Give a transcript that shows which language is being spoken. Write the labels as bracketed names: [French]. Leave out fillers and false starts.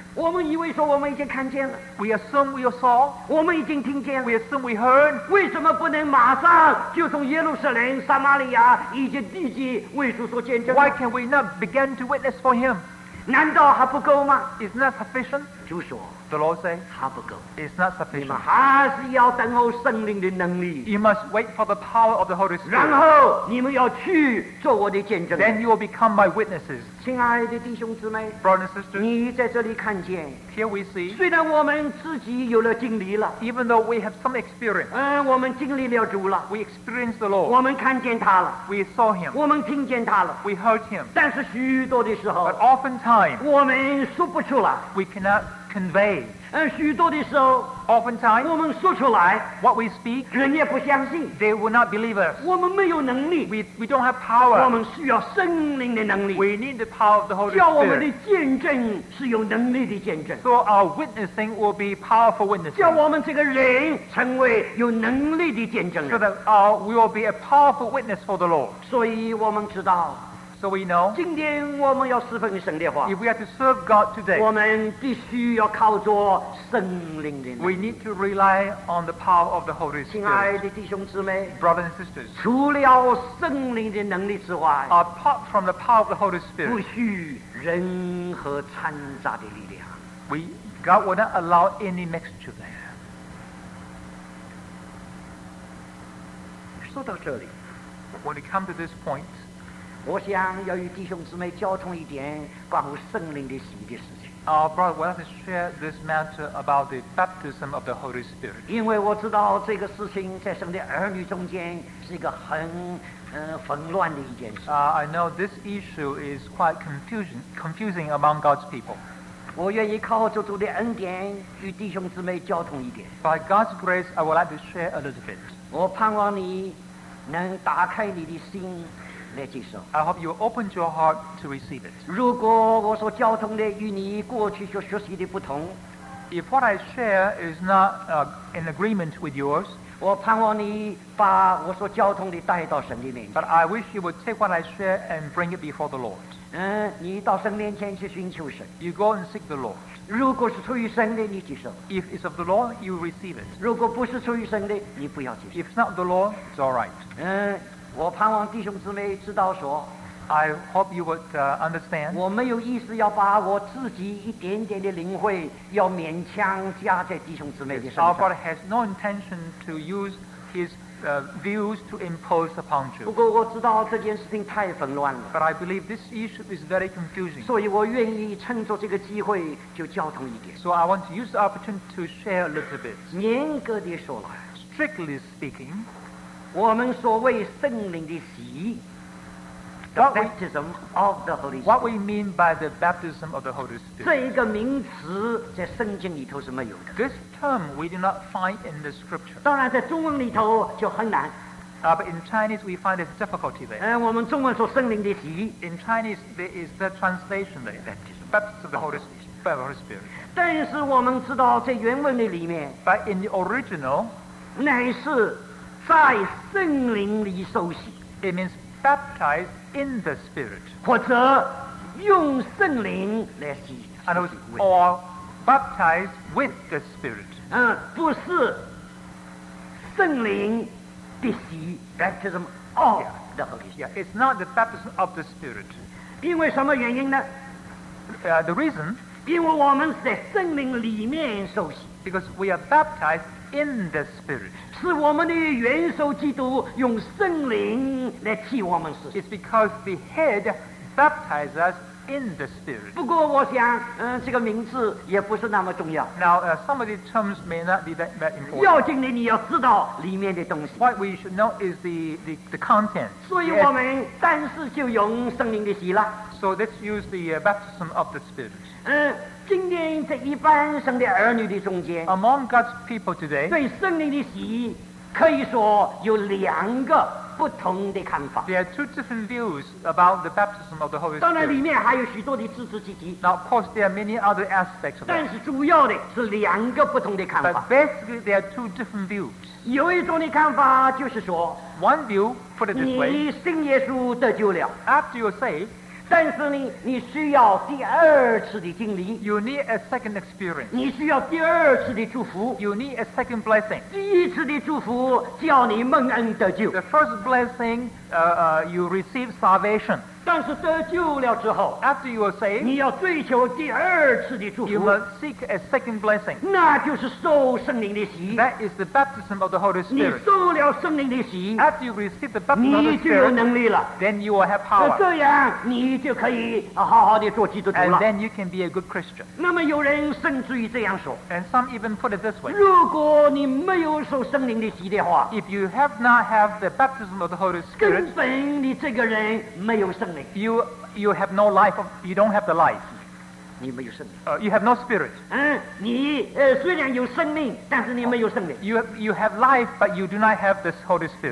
[Chinese] 我们以为说我们已经看见了。 [English] We assume we saw. [Chinese] 我们已经听见了。 [English] We assume we heard. [Chinese] 为什么不能马上就从耶路撒冷、撒玛利亚以及地基为主作见证 [English] ？Why can we not begin to witness for him? [Chinese] 难道还不够吗 [English] Is not sufficient [Chinese] 主说 [English] The Lord say [Chinese] 还不够 [English] It's not sufficient [Chinese] 你们还是要等候圣灵的能力 [English] You must wait for the power of the Holy Spirit [Chinese] 然后你们要去做我的见证 [English] Then you will become my witnesses [Chinese] 亲爱的弟兄姊妹 [English] Brothers and sisters [Chinese] 你在这里看见 [English] Here we see [Chinese] 虽然我们自己有了经历了 [English] Even though we have some experience [Chinese] 我们经历了主了 [English] We experienced the Lord [Chinese] 我们看见他了 [English] We saw him [Chinese] 我们听见他了 [English] We heard him [Chinese] 但是许多的时候 [English] But oftentimes [Chinese] 我们说不出了 [English] We cannot convey [Chinese] 许多的时候 [English] oftentimes [Chinese] 我们说出来 [English] what we speak [Chinese] 人也不相信 [English] they will not believe us [Chinese] 我们没有能力 [English] we don't have power [Chinese] 我们需要圣灵的能力 [English] we need the power of the Holy Spirit [Chinese] 叫我们的见证是有能力的见证 [English] so our witnessing will be powerful witnessing [Chinese] 叫我们这个人成为有能力的见证人 [English] so that we will be a powerful witness for the Lord [Chinese] 所以我们知道 [English] So we know, [Chinese] 今天我们要侍奉神的话 [English] if we are to serve God today, [Chinese] 我们必须要靠着圣灵的能力 [English] we need to rely on the power of the Holy Spirit [Chinese] 亲爱的弟兄姊妹 [English] brothers and sisters, [Chinese] 除了圣灵的能力之外 [English] apart from the power of the Holy Spirit, [Chinese] 不需任何掺杂的力量 [English] God will not allow any mixture there [Chinese] 说到这里 [English] when it comes to this point, [Chinese] 我想要与弟兄姊妹交通一点关乎圣灵的洗的事情 [English] Our brother will have to share this matter about the baptism of the Holy Spirit [Chinese] 因为我知道这个事情在神的儿女中间是一个很混乱的一件事 [English] I know this issue is quite confusing among God's people [Chinese] 我愿意靠主主的恩典与弟兄姊妹交通一点。 [English] By God's grace, I would like to share a little bit. [Chinese] 我盼望你能打开你的心来接受。 [English] I hope you open your heart to receive it. [Chinese] 如果我所交通的与你过去所学习的不同， [English] If what I share is not in agreement with yours, [Chinese] 我盼望你把我所交通的带到神的面前。 [English] But I wish you would take what I share and bring it before the Lord. [Chinese] 你到神面前去寻求神。 [English] You go and seek the Lord. [Chinese] 如果是出于神的，你接受。 [English] If it's of the Lord, you receive it. [Chinese] 如果不是出于神的，你不要接受。 [English] If it's not the Lord, it's all right. [Chinese] 我盼望弟兄姊妹知道说。 [English] I hope you would understand. [Chinese] 我没有意思要把我自己一点点的灵慧要勉强加在弟兄姊妹的身上。 [English] Our Father has no intention to use his views to impose upon you. [Chinese] 不过我知道这件事情太纷乱了。 [English] But I believe this issue is very confusing. [Chinese] 所以我愿意趁着这个机会就交通一点。 [English] So I want to use the opportunity to share a little bit. [Chinese] 严格地说了。 [English] Strictly speaking, [Chinese] 我们所谓圣灵的洗礼。 [English] The baptism of the Holy Spirit. What we mean by the baptism of the Holy Spirit. [Chinese] 这一个名词在圣经里头是没有的。 [English] This term we do not find in the scripture. [Chinese] 当然在中文里头就很难。 [English] But in Chinese we find a difficulty there. [Chinese] 我们中文说圣灵的洗。 [English] In Chinese there is the translation there. Baptism of the Holy Spirit. Holy Spirit. [Chinese] 但是我们知道在原文的里面。 [English] But in the original. [Chinese] 乃是在圣灵里受洗。 [English] It means baptized. In the Spirit, [Chinese] 或者用圣灵来洗 [English] or baptized with the Spirit. [Chinese] 不是圣灵的洗 [English] baptism of the Holy Spirit. Yeah, it's not the baptism of the Spirit. [Chinese] 因为什么原因呢？ [English] The reason, [Chinese] 因为我们在圣灵里面受洗 [English] because we are baptized. In the Spirit, [Chinese] 是我们的元首基督用圣灵来替我们施洗。 [English] It's because the Head baptizes us in the Spirit. [Chinese] 不过我想，这个名字也不是那么重要。 [English] Now, some of the terms may not be that important. [Chinese] 要紧的，你要知道里面的东西。 [English] What we should know is the content. [Chinese] 所以我们但是就用圣灵的洗了。 [English] So let's use the baptism of the Spirit. [Chinese] 今天在一般神的儿女的中间 [English] Among God's people today [Chinese] 对圣灵的洗可以说有两个不同的看法 [English] There are two different views about the baptism of the Holy Spirit [Chinese] 当然里面还有许多的枝枝节节 [English] Now of course there are many other aspects of that [Chinese] 但是主要的是两个不同的看法 [English] But basically there are two different views [Chinese] 有一种的看法就是说 [English] One view put it this way [Chinese] 你信耶稣得救了 [English] After you're saved [Chinese] 但是呢，你需要第二次的经历。 [English] You need a second experience. [Chinese] 你需要第二次的祝福。 [English] You need a second blessing. [Chinese] 第一次的祝福叫你蒙恩得救。 [English] The first blessing, you receive salvation. [Chinese] 但是得救了之后 [English] ，After you are saved, [Chinese] 你要追求第二次的祝福。 [English] You must seek a second blessing. [Chinese] 那就是受圣灵的洗。 [English] That is the baptism of the Holy Spirit. [Chinese] 你受了圣灵的洗 [English] ，After you receive the baptism of the Spirit, [Chinese] 你就有能力了。 [English] Then you will have power. [Chinese] 这样你。你就可以好好地做基督徒了。 [English] And then you can be a good Christian. [Chinese] 那么有人甚至于这样说。 [English] And some even put it this way. [Chinese] 如果你没有受圣灵的洗的话 [English] ，If you have not have the baptism of the Holy Spirit, [Chinese] 根本你这个人没有圣灵。 [English] You have no life. You don't have the life. [Chinese] 你没有圣灵。 [English] You have no spirit. [Chinese] 你虽然有生命，但是你没有圣灵。 [English] You have life, but you do not have this Holy Spirit.